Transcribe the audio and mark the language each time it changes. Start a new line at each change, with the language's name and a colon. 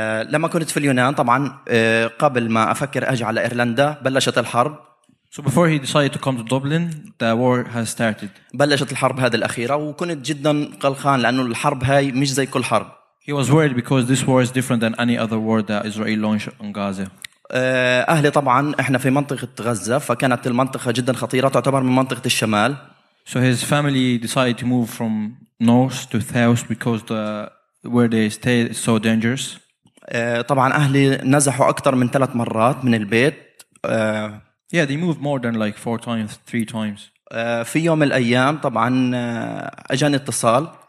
Arabic: لما كنت في اليونان طبعا قبل ما أفكر أجي على إيرلندا بلشت الحرب.
English: So before he decided to come to Dublin, the war has started.
Arabic: بلشت الحرب هذه الأخيرة وكنت جدا قلقان لأنه الحرب هاي مش زي كل حرب.
English: He was worried because this war is different than any other war that Israel launched on Gaza.
Arabic: أهلي طبعا إحنا في منطقة غزة فكانت المنطقة جدا خطيرة تعتبر من منطقة الشمال.
English: So his family decided to move from north to south because the where they stayed is so dangerous.
Arabic: طبعا أهلي نزحوا أكثر من ثلاث مرات من البيت.
English: Yeah, they moved more than like four times, three times.
Arabic: في يوم الأيام طبعا أجاني اتصال.